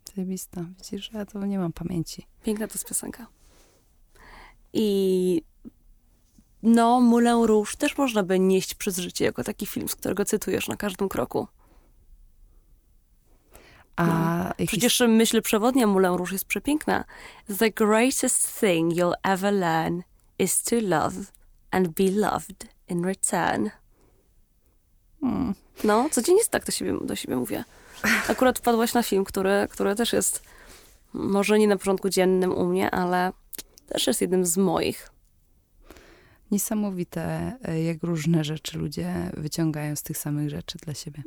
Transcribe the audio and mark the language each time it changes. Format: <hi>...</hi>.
<pl>Zajebista. Widzisz, ja to nie mam pamięci. Piękna to jest piosenka. I no, Moulin Rouge też można by nieść przez życie jako taki film, z którego cytujesz na każdym kroku. A no. Przecież myśl przewodnia Moulin Rouge jest przepiękna.</pl> <en>The greatest thing you'll ever learn is to love and be loved in return.</en> <pl>No, co dzień jest tak, do siebie mówię. Akurat wpadłaś na film, który też jest może nie na porządku dziennym u mnie, ale też jest jednym z moich. Niesamowite, jak różne rzeczy ludzie wyciągają z tych samych rzeczy dla siebie.</pl>